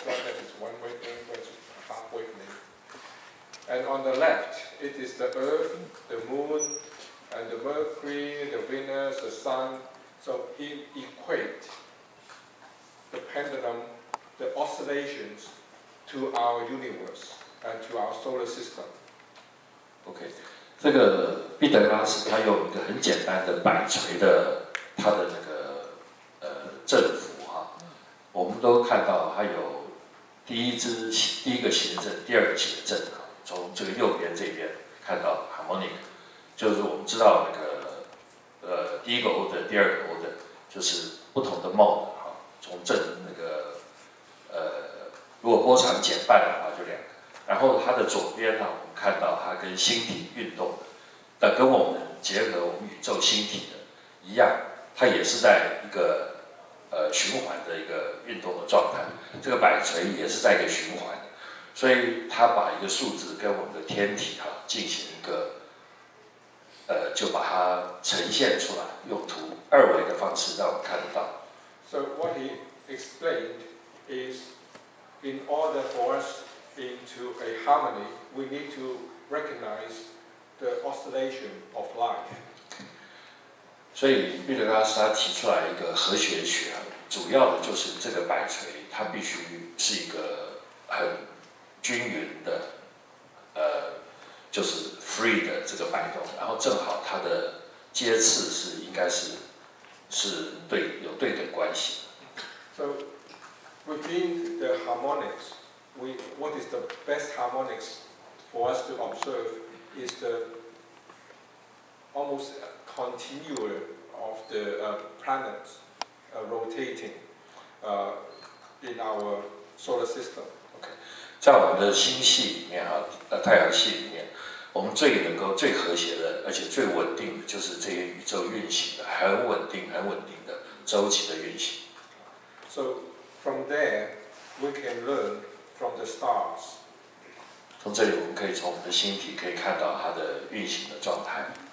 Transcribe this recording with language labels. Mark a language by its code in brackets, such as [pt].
[en] That is one wavelength, which is a half wavelength. And on the left, it is the earth, the moon, and the Mercury, the Venus, the Sun. So he equate the pendulum, the oscillations to our universe and to our solar system. [zh] Okay, 这个毕德拉斯他用一个很简单的摆锤的他的那个振幅啊，我们都看到他有第一个谐振，第二个谐振啊，从这个右边这边看到 harmonic， 就是我们知道那个第一个 order， 第二个 order 就是不同的 mode 啊，从振那个如果波长减半的话就两个，然后它的左边呢、啊，我们看到它跟星体运动的，但跟我们结合我们宇宙星体的一样，它也是在一个循环的一个运动的状态，这个摆锤也是在一个循环，所以它把一个数字跟我们的天体啊进行一个就把它呈现出来，用图二维的方式让我们看得到。 [en] So what he explained is, in order for us into a harmony, we need to recognize the oscillation of life. [zh] 所以毕德拉斯他提出来一个和谐学，主要的就是这个摆锤，它必须是一个很均匀的，就是 free 的这个摆动，然后正好它的阶次是应该是对有对等关系。 [en] So within the harmonics, what is the best harmonics for us to observe is the almost continual of the planets rotating in our solar system. Okay. [zh] 在我们的星系里面啊，太阳系里面。我们最能够最和谐的而且最稳定的就是这些宇宙运行的很稳定很稳定的周期的运行。 [en] So from there we can learn from the stars. [zh] 从这里我们可以从我们的星体可以看到它的运行的状态。